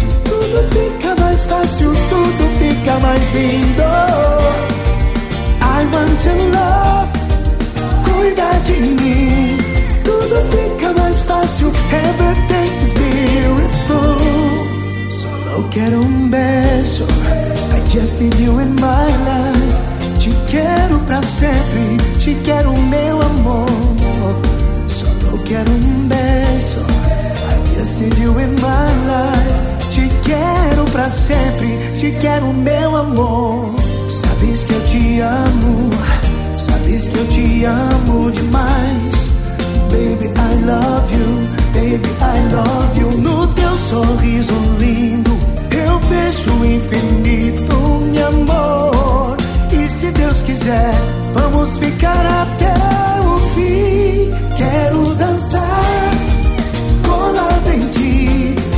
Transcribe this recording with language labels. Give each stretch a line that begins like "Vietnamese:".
Portuguese: Tudo fica mais fácil, tudo fica mais lindo.
English: I want to love,
Portuguese: cuida de mim. Tudo fica mais fácil,
English: everything's beautiful.
Portuguese: Solo quero beijo.
English: I just need you in my life.
Portuguese: Te quero pra sempre, te quero meu amor. Solo quero beijo.
English: I just need you in my life.
Portuguese: Te quero pra sempre, te quero meu amor. Sabes que eu te amo, sabes que eu te amo demais.
English: Baby, I love you, baby, I love you.
Portuguese: No teu sorriso lindo, eu vejo o infinito, meu amor. E se Deus quiser, vamos ficar até o fim. Quero dançar colado em ti.